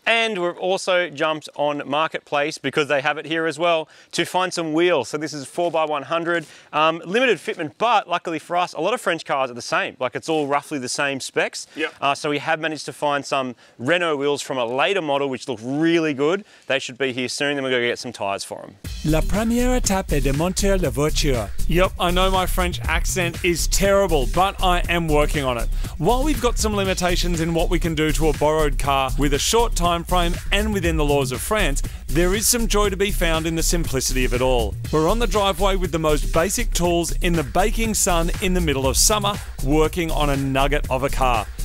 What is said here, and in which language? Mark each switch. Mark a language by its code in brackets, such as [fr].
[en] And we've also jumped on Marketplace because they have it here as well to find some wheels. So this is 4x100, limited fitment, but luckily for us, a lot of French cars are the same. Like it's all roughly the same specs. Yep. So we have managed to find some Renault wheels from a later model, which look really good. They should be here soon. Then we're gonna get some tires for them. [fr] La première étape est de monter la voiture. [en] Yep, I know my French accent is terrible, but I am working on it. While we've got some limitations in what we can do to a borrowed car with a short time frame and within the laws of France, there is some joy to be found in the simplicity of it all. We're on the driveway with the most basic tools in the baking sun in the middle of summer, working on a nugget of a car.